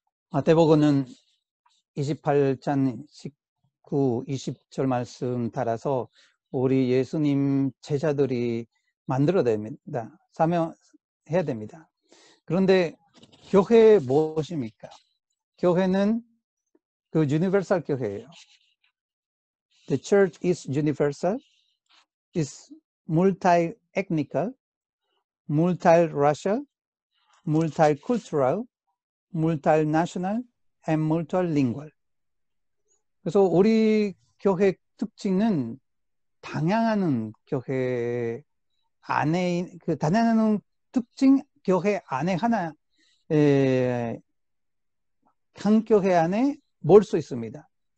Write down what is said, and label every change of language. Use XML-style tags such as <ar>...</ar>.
<ko>마태복음은 28장 19, 20절 말씀 따라서 우리 예수님 제자들이 만들어야 됩니다. 사명해야 됩니다. 그런데 교회 무엇입니까? 교회는 그 유니버설 교회예요.</ko> <en>The church is universal, is multi-ethnical, multi-racial, multi-cultural, multi-national, and multi-lingual.</en> <ko>그래서 우리 교회 특징은 다양한 교회 안에, 그 다양한 특징 교회 안에 하나, 한 교회 안에 볼 수 있습니다.</ko>